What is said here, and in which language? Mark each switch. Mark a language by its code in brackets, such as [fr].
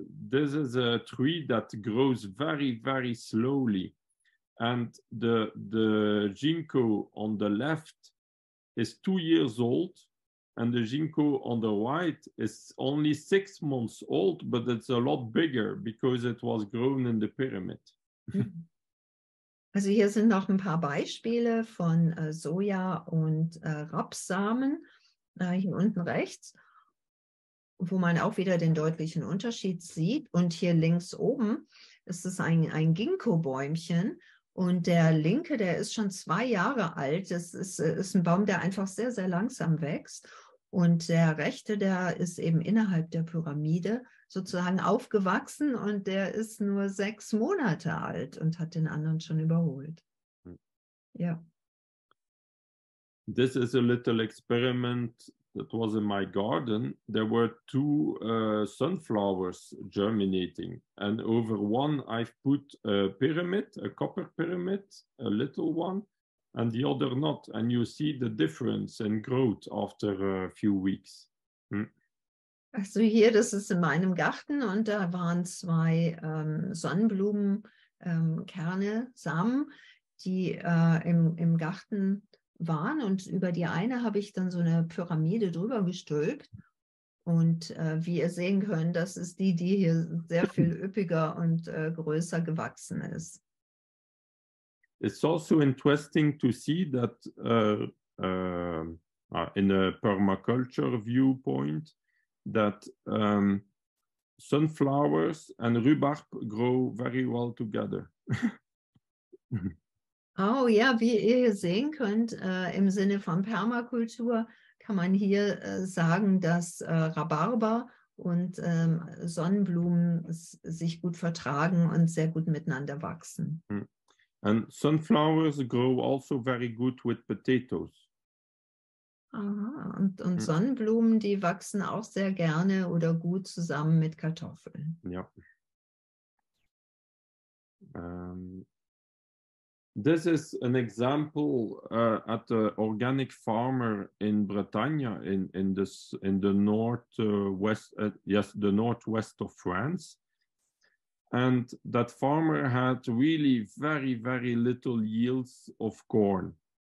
[en] This is a tree that grows very, very slowly. And the Ginkgo on the left is 2 years old, and the Ginkgo on the right is only 6 months old, but it's a lot bigger because it was grown in the pyramid. [de] Also hier sind noch ein paar Beispiele von Soja- und Rapssamen hier unten rechts, wo man auch wieder den deutlichen Unterschied sieht. Und hier links oben ist es ein Ginkgo-Bäumchen. Und der linke, der ist schon 2 Jahre alt. Das ist ein Baum, der einfach sehr, sehr langsam wächst. Und der rechte, der ist eben innerhalb der Pyramide sozusagen aufgewachsen und der ist nur 6 Monate alt und hat den anderen schon überholt. Ja. [en] This is a little experiment that was in my garden. There were two sunflowers germinating. And over one I've put a pyramid, a copper pyramid, a little one. And the other not. And you see the difference in growth after a few weeks. [de] Also hier, das ist in meinem Garten und da waren zwei Sonnenblumenkerne, Samen, die im Garten waren. Und über die eine habe ich dann so eine Pyramide drüber gestülpt. Und wie ihr sehen könnt, das ist die hier sehr viel üppiger und größer gewachsen ist. [en] It's also interesting to see that in a permaculture viewpoint that sunflowers and rhubarb grow very well together. [de] Oh ja, wie ihr sehen könnt, im Sinne von Permakultur kann man hier sagen, dass Rhabarber und Sonnenblumen sich gut vertragen und sehr gut miteinander wachsen. Hm. [en] And sunflowers grow also very good with potatoes. [de] Aha, und Sonnenblumen, die wachsen auch sehr gerne oder gut zusammen mit Kartoffeln. Ja. [en] This is an example at the organic farmer in Bretagne the northwest of France. And that farmer had really very, very little yields of corn.